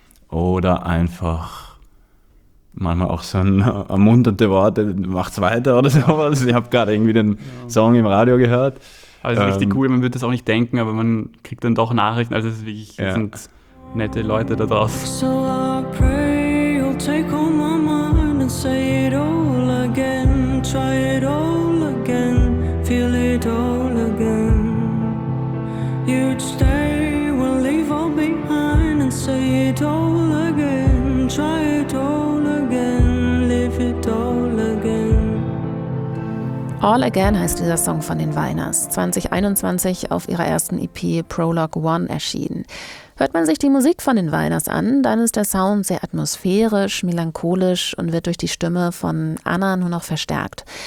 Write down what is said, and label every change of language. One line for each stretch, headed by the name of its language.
German: Oder einfach manchmal auch so ermunternde Worte, macht's weiter oder sowas. Ich habe gerade irgendwie den Song im Radio gehört. Also richtig cool, man würde das auch nicht denken, aber man kriegt dann doch Nachrichten, also es wirklich sind nette Leute da draußen.
English: So I pray you'll take all my mind and say it all again. Try it all again, feel it all again. You'd stay, we'll leave all behind and say it all again. Try it all again, live it all again.
German: All Again heißt dieser Song von den Wallners, 2021 auf ihrer ersten EP Prologue One erschienen. Hört man sich die Musik von den Wallners an, dann ist der Sound sehr atmosphärisch, melancholisch und wird durch die Stimme von Anna nur noch verstärkt.